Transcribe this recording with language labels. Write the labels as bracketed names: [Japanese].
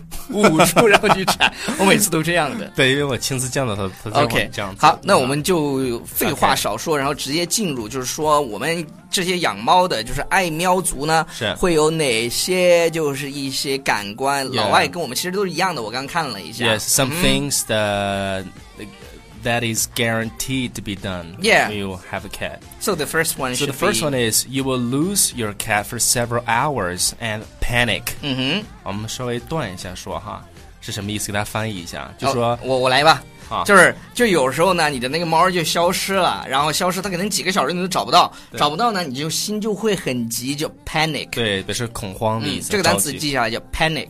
[Chinese] 捂住然后去铲，我每次都这样的。对，因为我亲自见到他这样子。 OK， 好，那我们就废话少说、okay. 然后直接进入，就是说我们这些养猫的就是爱喵族呢是会有哪些就是一些感官、 yeah. 老外跟我们其实都是一样的，我刚看了一下。 [English] Yes, some things that is guaranteed to be done、 yeah. when you have a cat. So the first one should be... So the first one is you will lose your cat for several hours and panic. 嗯哼， [Chinese] 我们稍微断一下说哈，是什么意思？给大家翻译一下，就说、我来吧。就有时候呢，你的那个猫就消失了，然后消失，它可能几个小时你都找不到，找不到呢，你就心就会很急，就 panic。对，表示恐慌的意思。这个单词记下来叫 panic。